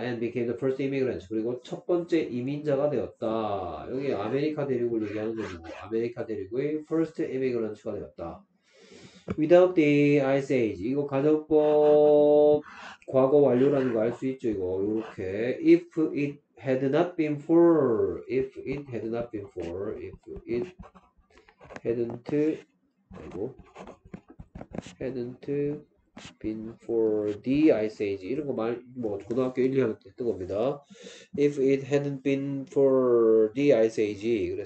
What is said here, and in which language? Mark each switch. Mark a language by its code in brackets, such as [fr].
[en] And became the first immigrant. [ko] 그리고 첫 번째 이민자가 되었다. 여기 아메리카 대륙을 얘기하는 거죠. 아메리카 대륙의 [en] first immigrant [ko] 가 되었다. [en] Without the Ice Age. [ko] 이거 가정법 과거 완료라는 거알수 있죠. 이거. 이렇게. [en] If it had not been for, if it hadn't, 아이고, hadn't been for the Ice Age. [ko] 이런 거 말, 뭐, 고등학교 1, 2학년 때 했던 겁니다. [en] If it hadn't been for the Ice Age.